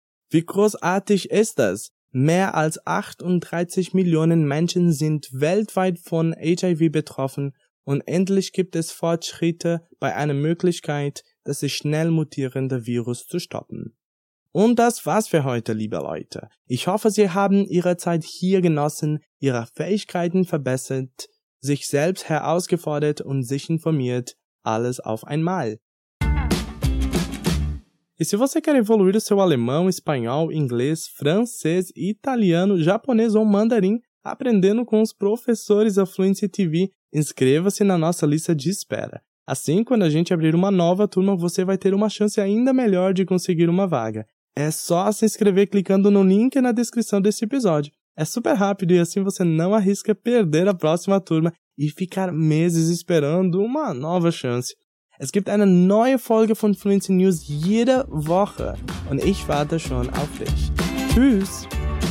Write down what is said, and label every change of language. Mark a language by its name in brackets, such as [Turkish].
[German] Wie großartig ist das? Mehr als 38 Millionen Menschen sind weltweit von HIV betroffen und endlich gibt es Fortschritte bei einer Möglichkeit, das schnell mutierende Virus zu stoppen. Und das war's für heute, liebe Leute. Ich hoffe, Sie haben Ihre Zeit hier genossen, Ihre Fähigkeiten verbessert, sich selbst herausgefordert und sich informiert. Alles auf einmal. [Portuguese] E se você quer evoluir o seu alemão, espanhol, inglês, francês, italiano, japonês ou mandarim, aprendendo com os professores da Fluency TV, inscreva-se na nossa lista de espera. Assim, quando a gente abrir uma nova turma, você vai ter uma chance ainda melhor de conseguir uma vaga. É só se inscrever clicando no link na descrição desse episódio. É super rápido e assim você não arrisca perder a próxima turma e ficar meses esperando uma nova chance. [German] Es gibt eine neue Folge von Fluency News jede Woche und ich warte schon auf dich. Tschüss!